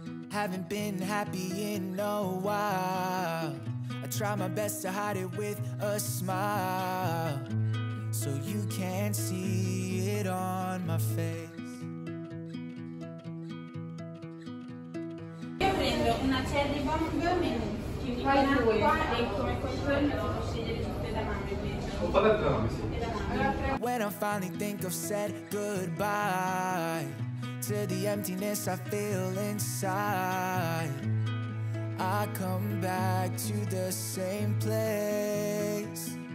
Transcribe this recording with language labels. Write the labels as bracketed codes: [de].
[en] Haven't been happy in a while. I try my best to hide it with a smile. So you can't see it on my face. [it] Io prendo una cherry bomb, due menù. Ci fai due. [en] When I finally think I've said goodbye to the emptiness I feel inside, I come back to the same place.